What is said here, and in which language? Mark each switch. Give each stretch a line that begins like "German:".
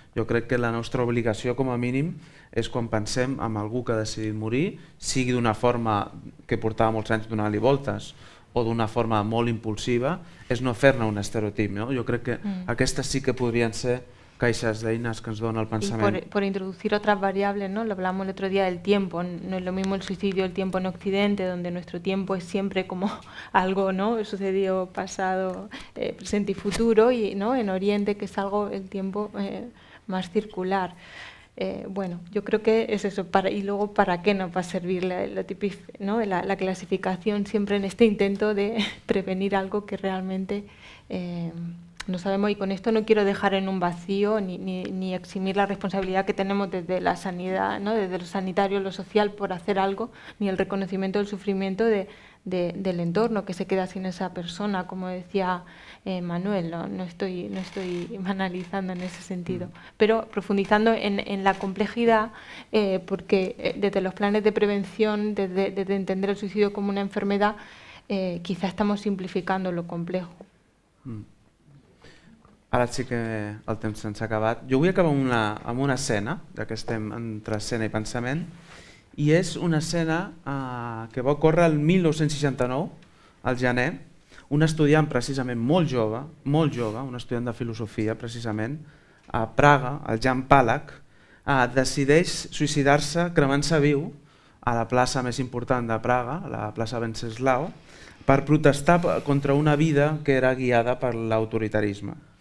Catalan: Jo crec que la nostra obligació, com a mínim, és quan pensem en algú que ha decidit morir, sigui d'una forma que portava molts anys donant-li voltes o d'una forma molt impulsiva, és no fer-ne un estereotip. No? Jo crec que aquestes sí que podrien ser caixes d'eines que ens dona el pensament. I per introduir altres variables, no?
Spanish: L'hablamos el otro día del tiempo, no es lo mismo el suicidio del tiempo en Occidente, donde nuestro tiempo es siempre como algo, ¿no?, sucedido, pasado, presente y futuro, y no en Oriente, que es algo, el tiempo, más circular. Bueno, yo creo que es eso, y luego para qué nos va a servir la clasificación siempre en este intento de prevenir algo que realmente... No sabemos, y con esto no quiero dejar en un vacío ni eximir la responsabilidad que tenemos desde la sanidad, ¿no?, desde lo sanitario, lo social, por hacer algo, ni el reconocimiento del sufrimiento del entorno que se queda sin esa persona, como decía Manuel, ¿no? No estoy analizando en ese sentido, pero profundizando en la complejidad, porque desde los planes de prevención, desde entender el suicidio como una enfermedad, quizá estamos simplificando lo complejo.
Catalan: Ara sí que el temps se'ns ha acabat. Jo vull acabar amb una escena, ja que estem entre escena i pensament, i és una escena que va ocórrer el 1969, al gener. Un estudiant precisament molt jove, un estudiant de filosofia precisament, a Praga, el Jan Palach, decideix suïcidar-se cremant-se viu a la plaça més important de Praga, la plaça Venceslau, per protestar contra una vida que era guiada per l'autoritarisme.